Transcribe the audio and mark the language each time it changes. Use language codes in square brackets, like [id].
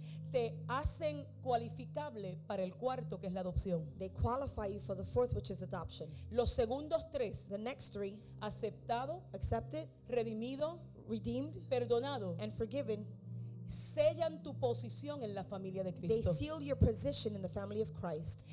[es] te hacen cualificable para el cuarto, que es la adopción. [en] They qualify you for the fourth, which is adoption. [es] Los segundos 3, [en] the next 3, [es] aceptado, [en] accepted, [es] redimido, [en] redeemed, [es] perdonado, [en] and forgiven, [es] sellan tu posición en la familia de Cristo. [en] They seal your position in the family of Christ.